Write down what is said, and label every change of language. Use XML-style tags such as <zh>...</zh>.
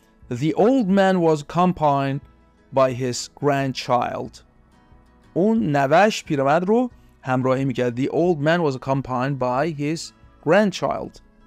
<en>The old man was accompanied by his grandchild.</en> <fa>اون نوش پیرمرد رو همراهی میکرد.</fa> <en>The old man was accompanied by his grandchild.</en>